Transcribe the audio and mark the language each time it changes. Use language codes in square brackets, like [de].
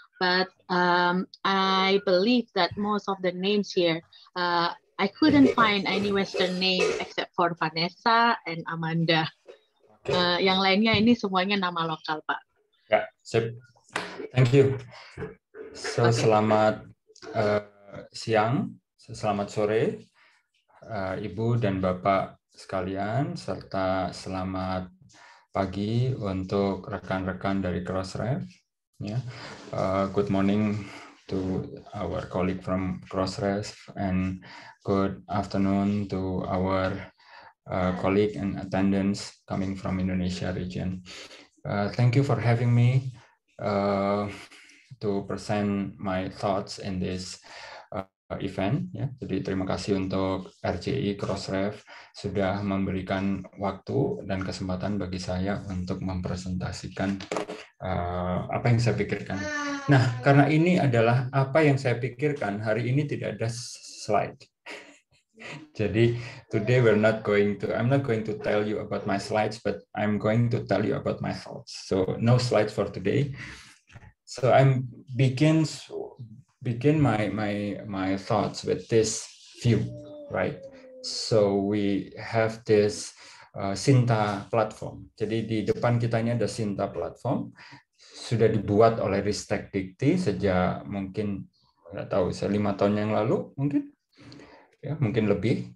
[en] But I believe that most of the names here, I couldn't find any Western name except for Vanessa and Amanda. [id] Yang lainnya ini semuanya nama lokal, Pak. [en] Yeah, sip. Thank you. So, okay. [id] Selamat siang, selamat sore, Ibu dan Bapak sekalian, serta selamat pagi untuk rekan-rekan dari Crossref. [en] Good morning to our colleague from Crossref, and good afternoon to our colleague and attendants coming from Indonesia region. Thank you for having me to present my thoughts in this event. [id] Jadi terima kasih untuk RCI Crossref sudah memberikan waktu dan kesempatan bagi saya untuk mempresentasikan apa yang saya pikirkan. Nah, karena ini adalah apa yang saya pikirkan, hari ini tidak ada slide. [en] Jadi today we're not going to, I'm not going to tell you about my slides, but I'm going to tell you about my thoughts. So no slides for today. So I'm begin my thoughts with this view, right? So we have this Sinta platform. [id] Jadi di depan kita ini ada Sinta platform, sudah dibuat oleh Ristek Dikti sejak mungkin nggak tahu 5 tahun yang lalu mungkin, ya mungkin lebih.